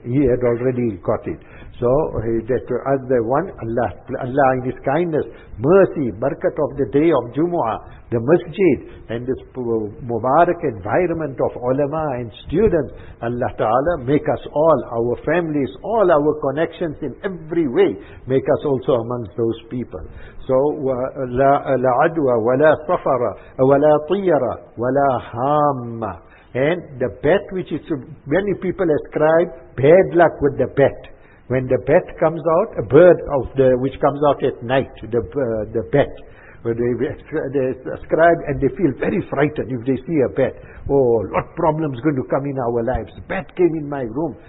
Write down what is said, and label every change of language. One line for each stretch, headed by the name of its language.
English: He had already got it." So, Allah in His kindness, mercy, barakat of the day of Jumu'ah, the masjid, and this Mubarak environment of ulama and students, Allah Ta'ala make us all, our families, all our connections in every way, make us also amongst those people.
Arabic: So, لا عدوى ولا صفر ولا طيرة ولا هامة.
English: And the bet which is, many people ascribe bad luck with the bet. When the bet comes out, a bird of the which comes out at night, the bet, where they ascribe and they feel very frightened if they see a bat. Oh, a lot of problems going to come in our lives. Bat came in my room.